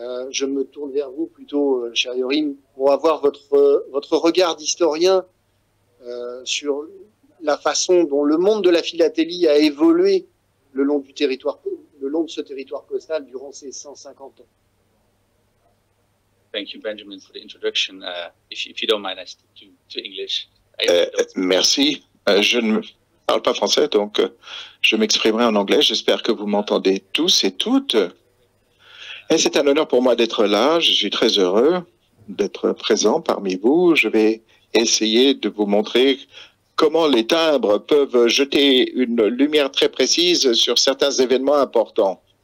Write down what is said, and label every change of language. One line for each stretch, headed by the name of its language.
French: Je me tourne vers vous plutôt, cher Yorim, pour avoir votre regard d'historien sur la façon dont le monde de la philatélie a évolué le long de ce territoire postal durant ces 150 ans.
English: Thank you, Benjamin, for the introduction. If you don't mind, I stick to English.
French: Merci. Je ne parle pas français, donc je m'exprimerai en anglais. J'espère que vous m'entendez tous et toutes. Et c'est un honneur pour moi d'être là. Je suis très heureux d'être présent parmi vous. Je vais essayer de vous montrer comment les timbres peuvent jeter une lumière très précise sur certains événements importants.